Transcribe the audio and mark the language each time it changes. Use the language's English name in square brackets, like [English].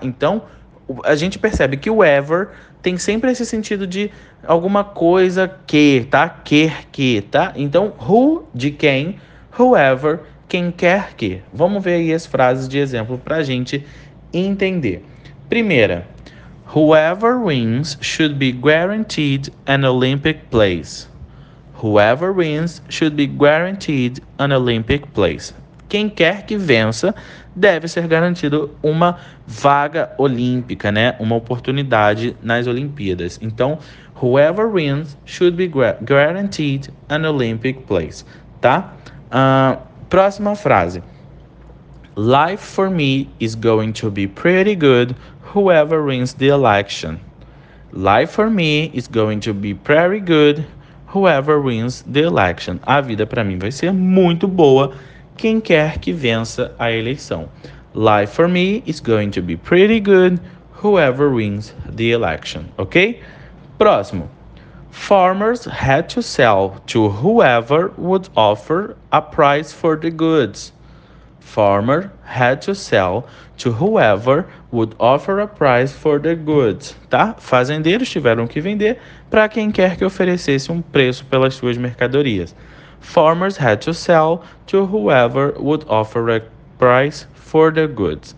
[Portuguese] Então, a gente percebe que o ever tem sempre esse sentido de alguma coisa que, tá? Quer que, tá? Então, who de quem, whoever, quem quer que. Vamos ver aí as frases de exemplo para a gente entender. Primeira, [English] whoever wins should be guaranteed an Olympic place. Whoever wins should be guaranteed an Olympic place. [Portuguese] Quem quer que vença deve ser garantido uma vaga olímpica, né? Uma oportunidade nas Olimpíadas. Então, [English] whoever wins should be guaranteed an Olympic place, tá? [Portuguese] Próxima frase. [English] Life for me is going to be pretty good whoever wins the election. Life for me is going to be pretty good whoever wins the election. [Portuguese] A vida para mim vai ser muito boa quem quer que vença a eleição. [English] Life for me is going to be pretty good whoever wins the election. [Portuguese] Ok? Próximo. [English] Farmers had to sell to whoever would offer a price for the goods. Farmer had to sell to whoever would offer a price for the goods. [Portuguese] Tá? Fazendeiros tiveram que vender para quem quer que oferecesse um preço pelas suas mercadorias. [English] Farmers had to sell to whoever would offer a price for the goods.